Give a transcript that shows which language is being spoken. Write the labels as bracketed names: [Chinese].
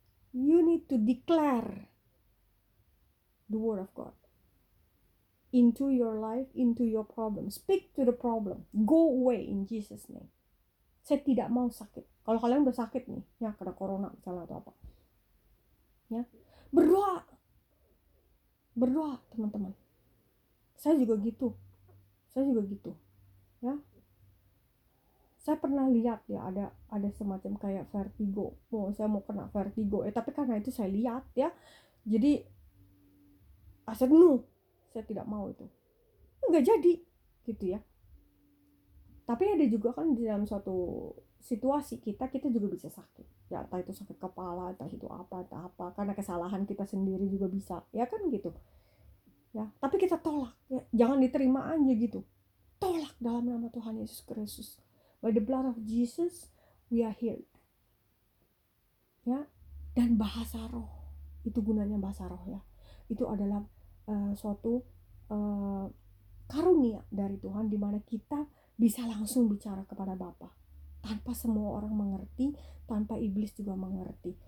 [English] You need to declare the word of God into your life, into your problem. Speak to the problem, go away in Jesus' name. [Indonesian] Saya tidak mau sakit. Kalau kalian udah sakit nih, ya, karena corona misalnya atau apa. Ya. Berdoa, teman-teman. Saya juga gitu. Ya. Saya pernah lihat ya ada semacam kayak vertigo. Oh, saya mau kena vertigo. Tapi karena itu saya lihat ya. Jadi aset nu, saya tidak mau itu. Enggak jadi gitu ya. Tapi ada juga kan di dalam suatu situasi kita juga bisa sakit. Ya, entah itu sakit kepala, entah itu apa. Karena kesalahan kita sendiri juga bisa. Ya kan gitu. Ya, tapi kita tolak. Ya, jangan diterima aja gitu. tolak dalam nama Tuhan Yesus Kristus. [English] By the blood of Jesus, we are healed. [Indonesian] Ya, dan bahasa roh, itu gunanya bahasa roh ya. Itu adalah suatu karunia dari Tuhan di mana kita bisa langsung bicara kepada Bapa tanpa semua orang mengerti, tanpa iblis juga mengerti.